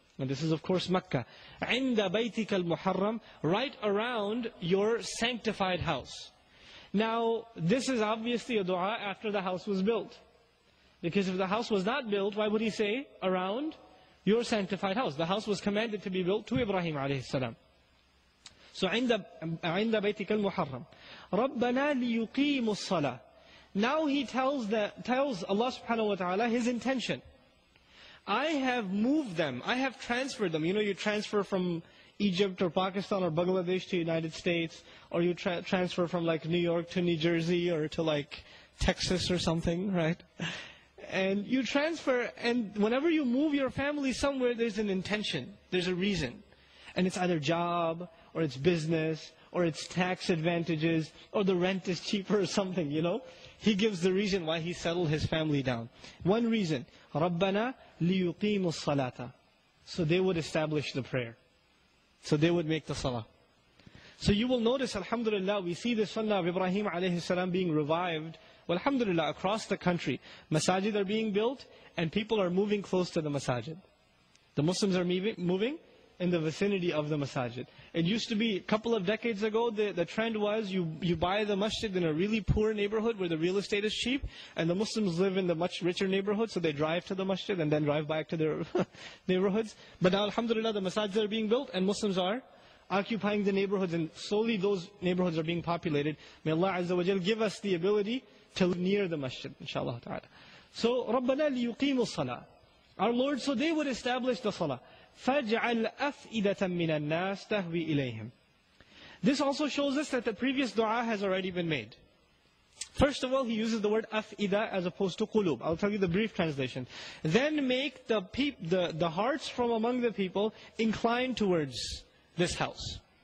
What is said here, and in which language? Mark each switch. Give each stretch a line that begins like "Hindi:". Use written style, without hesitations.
English: And this is of course Makkah.
Arabic: عِنْدَ بَيْتِكَ الْمُحَرَّمِ,
English: right around your sanctified house. Now, this is obviously a dua after the house was built. Because if the house was not built, why would he say, around your sanctified house? The house was commanded to be built to Ibrahim alayhi salam.
Arabic: So, عِنْدَ بَيْتِكَ الْمُحَرَّمِ. رَبَّنَا لِيُقِيمُ الصَّلَةِ.
English: Now he tells Allah subhanahu wa ta'ala his intention. I have moved them, I have transferred them. You know, you transfer from Egypt or Pakistan or Bangladesh to United States, or you transfer from like New York to New Jersey or to like Texas or something, right? And you transfer, and whenever you move your family somewhere, there's an intention, there's a reason. And it's either job, or it's business, or it's tax advantages, or the rent is cheaper or something, you know? He gives the reason why he settled his family down. One reason,
Arabic: رَبَّنَا لِيُقِيمُ الصَّلَاةَ.
English: So they would establish the prayer. So they would make the salah. So you will notice, alhamdulillah, we see the sunnah of Ibrahim alayhi salam being revived. Well, alhamdulillah, across the country, masajid are being built, and people are moving close to the masajid. The Muslims are moving in the vicinity of the masajid. It used to be a couple of decades ago, the trend was you buy the masjid in a really poor neighborhood where the real estate is cheap, and the Muslims live in the much richer neighborhood, so they drive to the masjid and then drive back to their neighborhoods. But now, alhamdulillah, the masajids are being built and Muslims are occupying the neighborhoods, and slowly those neighborhoods are being populated. May Allah Azza wa Jal give us the ability to live near the masjid, inshaAllah ta'ala.
Arabic: So, رَبَّنَا لِيُقِيمُ الصَّلَاةِ.
English: Our Lord, so they would establish the salah.
Arabic: فَاجْعَلْ أَفْئِدَةً مِنَ النَّاسِ تَهْوِي إِلَيْهِمْ.
English: This also shows us that the previous dua has already been made. First of all, he uses the word afida as opposed to qulub. I'll tell you the brief translation. Then make the hearts from among the people inclined towards this house.